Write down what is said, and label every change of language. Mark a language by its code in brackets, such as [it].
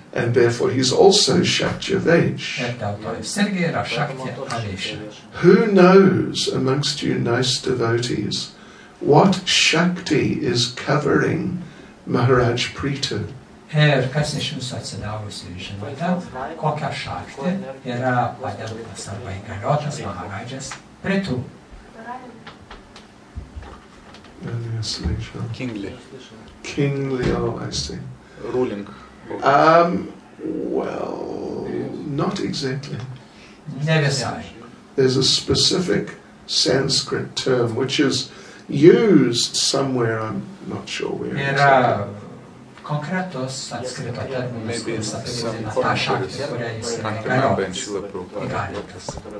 [en] And therefore he's also Shaktyavesh. [lt] Ir dėl to jis irgi yra Shaktyavesha. [en] Who knows amongst you nice devotees what Shakti is covering Maharaj Preetu? [lt] Ir kas iš jūsų atsidavusių žinote, kokia šakti yra padengtas arba įgaliotas Maharajas Preetu? [en] Kingly, oh, I see. Ruling. Well, not exactly. [lt] Ne visai. [en] There's a specific Sanskrit term which is used somewhere, I'm not sure where. [lt] Yra konkretos sanskrito terminus, kuris apibūdina tą šaktį, kurią jis yra įgaliotas.